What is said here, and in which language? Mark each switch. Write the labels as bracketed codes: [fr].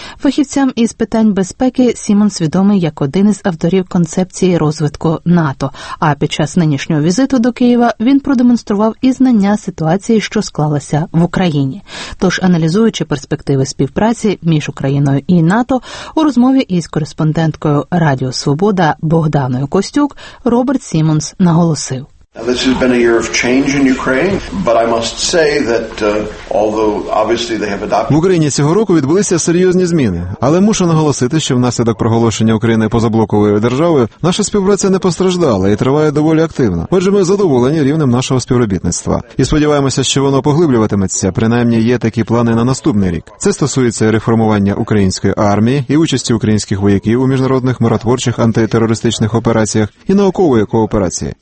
[uk] Фахівцям із питань безпеки Сімонс відомий як один із авторів концепції розвитку НАТО, а під час нинішнього візиту до Києва він продемонстрував і знання ситуації, що склалася в Україні. Тож, аналізуючи перспективи співпраці між Україною і НАТО, у розмові із кореспонденткою Радіо Свобода Богданою Костюк Роберт Сімонс наголосив. [en] This has been a year of change in Ukraine, but I must say that although obviously they have adopted... [uk] В Україні цього року відбулися серйозні зміни, але мушу наголосити, що внаслідок проголошення України позаблоковою державою наша співпраця не постраждала і триває доволі активно. Отже, ми задоволені рівнем нашого співробітництва і сподіваємося, що воно поглиблюватиметься. Принаймні, є такі плани на наступний рік. Це стосується реформування української армії і участі українських вояків у міжнародних миротворчих антитерористичних операціях і наукової кооперації.